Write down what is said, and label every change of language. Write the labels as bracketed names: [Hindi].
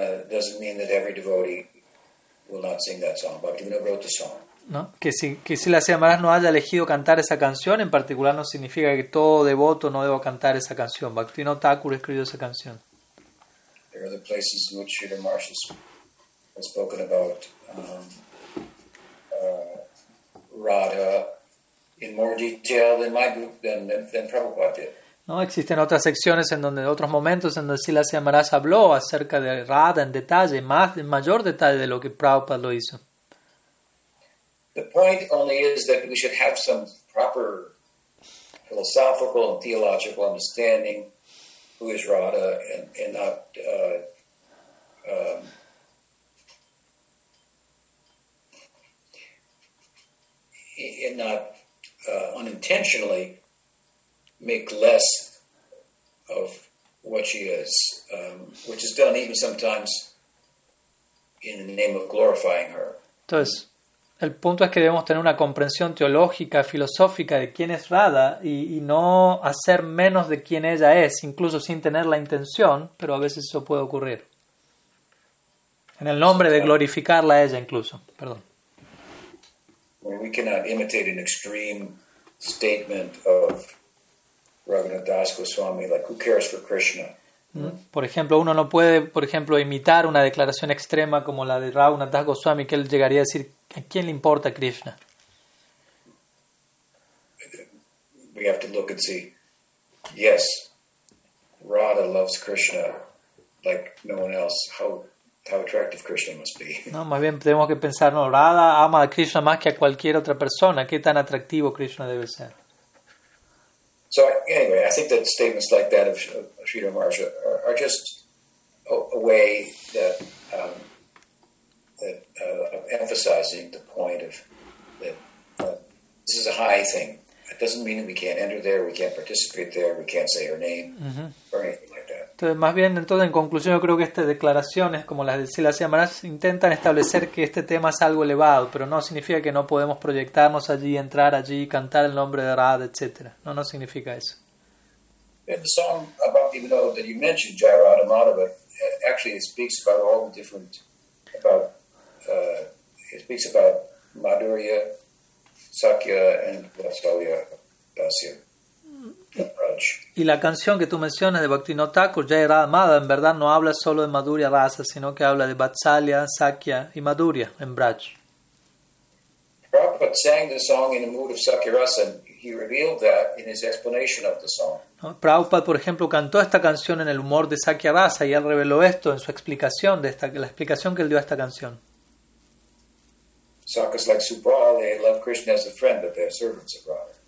[English] Doesn't mean that every devotee will not sing that song. But Bhaktivinoda wrote the song. [Spanish] No, que si la Sridhar Maharaj no haya elegido cantar esa canción en particular, no significa que todo devoto no deba cantar esa canción. Bhaktivinoda Thakur escribió esa canción. [English] There are other places in which Sridhar Maharaj has spoken about Radha in more detail than my group than Prabhupada did. [Spanish] No, existen otras secciones en donde otros momentos en donde Sila Siamaras habló acerca de Radha en detalle, más en mayor detalle de lo que Prabhupada lo hizo. [English] The point only is that we should have some proper philosophical and theological understanding who is Radha and not unintentionally make less of what she is, which is done even sometimes in the name of glorifying her. [Spanish] Entonces, el punto es que debemos tener una comprensión teológica, filosófica de quién es Radha y no hacer menos de quién ella es, incluso sin tener la intención, pero a veces eso puede ocurrir. En el nombre de glorificarla a ella incluso, perdón. [English] We cannot imitate an extreme statement of Raghunath Das Goswami, like who cares for Krishna? [Spanish] Por ejemplo, uno no puede, por ejemplo, imitar una declaración extrema como la de Raghunath Das Goswami, que él llegaría a decir, ¿a quién le importa Krishna? [English] We have to look and see. Yes, Radha loves Krishna like no one else. How attractive Krishna must be. [Spanish] No, más bien tenemos que pensar, no, Radha ama a Krishna más que a cualquier otra persona. ¿Qué tan atractivo Krishna debe ser? [English] So, anyway, I think that statements like that of Sridhar Maharaj are just a way of emphasizing the point of that this is a high thing. It doesn't mean that we can't enter there, we can't participate there, we can't say her name, or anything. [Spanish] Entonces, más bien, entonces, en conclusión, yo creo que estas declaraciones, como las de Sila Siamaras, intentan establecer que este tema es algo elevado, pero no significa que no podemos proyectarnos allí, entrar allí, cantar el nombre de Radha, etc. No, no significa eso. [English] In the song about, even though that you mentioned Jai Radha Madhava, actually it speaks about all the different, it speaks about Madhurya, Sakya, and Vatsalya, Dasya. [Spanish] Y la canción que tú mencionas de Bhaktivinoda Thakur, Jai Radha Madhava, en verdad no habla solo de Madhurya Rasa, sino que habla de Vatsalya, Sakya y Madhurya en Braj. [English] Prabhupada sang the song in the mood of Sakya Rasa, and he revealed that in his explanation of the song. [Spanish] ¿No? Prabhupada, por ejemplo, cantó esta canción en el humor de Sakya Rasa y él reveló esto en su explicación de esta, la explicación que él dio a esta canción. [English] Sakya's like Subhra, they love Krishna as a friend, but they are servants of Radha.